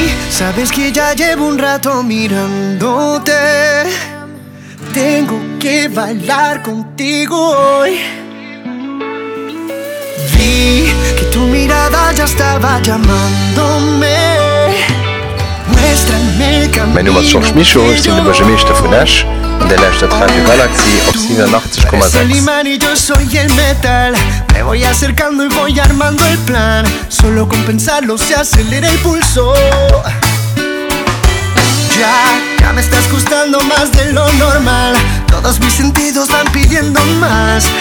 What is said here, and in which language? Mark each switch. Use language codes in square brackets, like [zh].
[es] Sabes que ya llevo un rato mirándote. Tengo que bailar contigo hoy. Vi que tu mirada ya estaba llamándome. Muéstrame el camino. [de] Mein Name ist George Micho, ich bin der Benjamin von Nash. Und der lässt das Radio Galaxy auf 87,6. [es] Es el imán y yo soy el metal. Me voy acercando y voy armando el plan. Solo con pensarlo se acelera el pulso. Ya me estás gustando más de lo normal. Todos mis sentidos van pidiendo más.